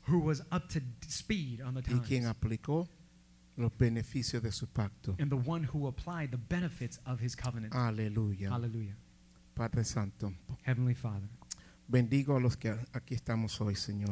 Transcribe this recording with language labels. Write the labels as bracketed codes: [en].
[en] Who was up to speed on the times. [es] Y quien aplicó los beneficios de su pacto. [en] And the one who applied the benefits of his covenant. [es] Aleluya. Aleluya. Padre Santo. [en] Heavenly Father. [es] Bendigo a los que aquí estamos hoy, Señor.